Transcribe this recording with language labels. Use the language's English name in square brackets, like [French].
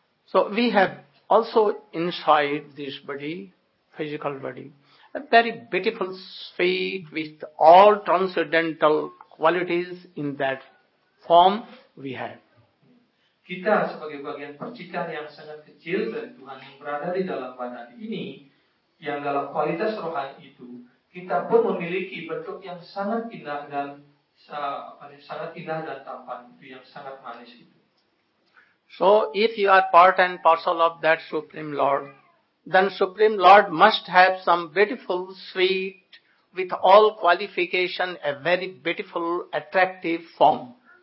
[English] So we have also inside this body, physical body, a very beautiful sphere with all transcendental qualities in that form we have. [Indonesian] Kita sebagai bagian percikan yang sangat kecil dari Tuhan yang berada di dalam badan ini, yang dalam kualitas rohani itu, kita pun memiliki bentuk yang sangat indah dan tampan itu, yang sangat manis itu. [English] So if you are part and parcel of that Supreme Lord, then Supreme Lord must have some beautiful, sweet, with all qualification, a very beautiful, attractive form.